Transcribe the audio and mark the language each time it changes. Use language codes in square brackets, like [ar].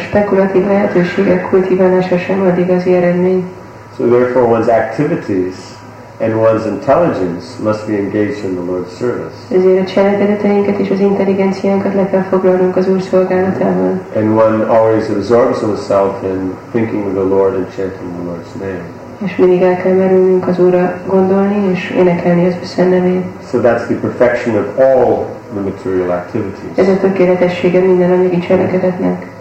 [hu] Spekulatív lehetőségek kultiválása sem ad igazi eredményt. [en] So therefore one's activities and one's intelligence must be engaged in the Lord's service. [hu] Ezért a cselekedeteinket és az intelligenciánkat le kell foglalnunk az Úr szolgálatában. [en] And one always absorbs himself in thinking of the Lord and chanting the Lord's name. [hu] És mindig el kell merülnünk az Úrra gondolni és énekelni az ő szennevét. [en] So that's the perfection of all the material activities. [hu] Ez a tökéletessége minden anyagi cselekedetnek.